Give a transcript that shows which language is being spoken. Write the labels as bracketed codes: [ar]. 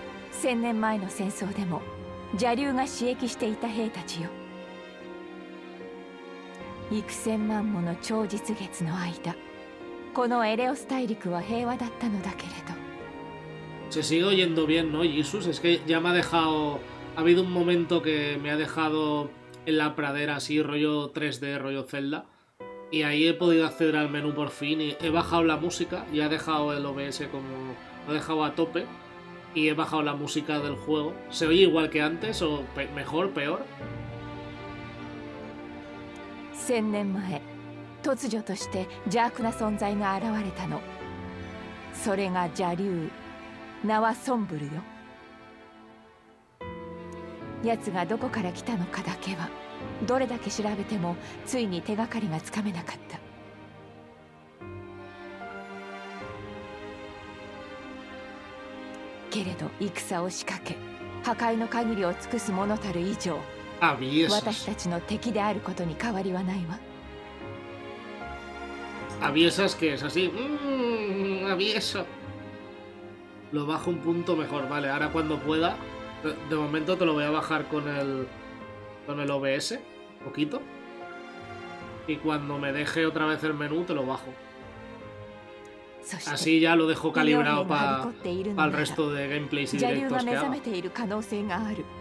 [ja] 千年前の戦争でも邪竜が使役していた兵たちよ。幾千万もの長日月の間、このエレオス大陸は平和だったのだけれど。 [es] Se sigue oyendo bien, ¿no, Jesús? Es que ya me ha dejado... Ha habido un momento que me ha dejado en la pradera así, rollo 3D, rollo Zelda. Y ahí he podido acceder al menú por fin y he bajado la música. Y ha dejado el OBS como... Lo he dejado a tope. Y he bajado la música del juego. ¿Se oye igual que antes o mejor, peor? [ja] 千年前、突如として邪悪な存在が現れたの。それが邪竜。名はソンブルよ。奴がどこから来たのかだけはどれだけ調べてもついに手がかりがつかめなかった。けれど戦を仕掛け、破壊の限りを尽くす者たる以上、私たちの敵であることに変わりはないわ。アビエサスケエサシアビエサ。 [es] Lo bajo un punto mejor, vale. Ahora cuando pueda, de momento te lo voy a bajar con el OBS, un poquito. Y cuando me deje otra vez el menú, te lo bajo. Así ya lo dejo calibrado para el resto de gameplays y directos que haga.